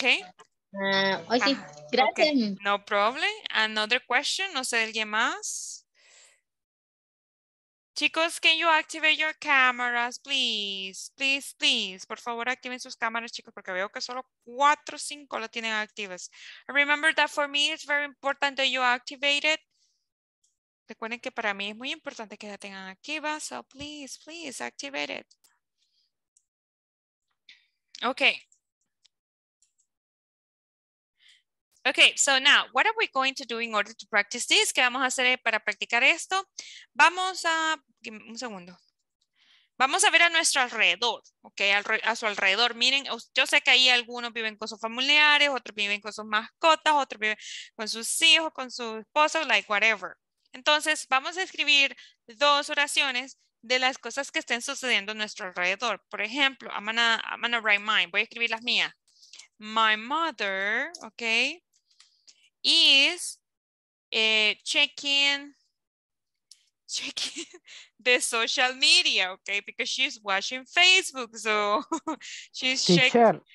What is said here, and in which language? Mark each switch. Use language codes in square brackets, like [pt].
[es] Sí. Gracias. Okay. [en] No problem. Another question. [es] No sé de alguien más. [en] Chicos, can you activate your cameras, please? Please, please. [es] Por favor, activen sus cámaras, chicos, porque veo que solo 4 o 5 lo tienen activas. [en] Remember that for me, it's very important that you activate it. [es] Recuerden que para mí es muy importante que la tengan activa. [en] So, please, please, activate it. Okay. Okay, so now, what are we going to do in order to practice this? [es] ¿Qué vamos a hacer para practicar esto? Vamos a... Un segundo. Vamos a ver a nuestro alrededor, ¿ok? A su alrededor. Miren, yo sé que ahí algunos viven con sus familiares, otros viven con sus mascotas, otros viven con sus hijos, con su esposo, [en] like whatever. [es] Entonces, vamos a escribir 2 oraciones de las cosas que estén sucediendo a nuestro alrededor. Por ejemplo, [en] I'm gonna write mine. [es] Voy a escribir las mías. [en] My mother, okay, is checking the social media, okay, because she's watching Facebook, so she's checking.